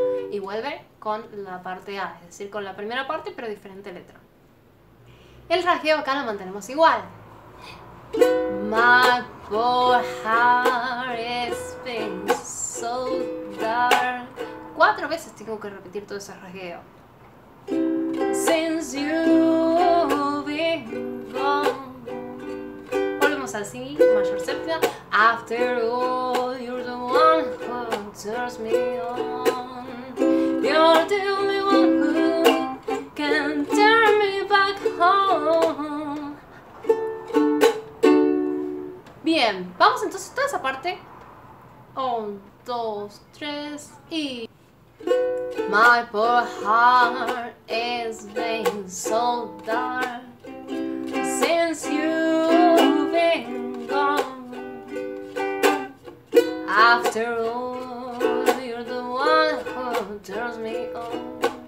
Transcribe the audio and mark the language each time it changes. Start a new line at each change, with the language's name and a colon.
Spanish: Y vuelve con la parte A, es decir, con la primera parte, pero diferente letra. El rasgueo acá lo mantenemos igual.
English: My poor heart has been so dark.
Spanish: 4 veces tengo que repetir todo ese rasgueo.
English: Since you've been gone.
Spanish: Volvemos al si mayor séptima.
English: After all, you're the one who turns me on. You're the only one who can turn me back home.
Spanish: Bien, vamos entonces toda esa parte. 1, 2, 3 y.
English: My poor heart is being so dark since you've been gone. After all, you're the one who turns me on.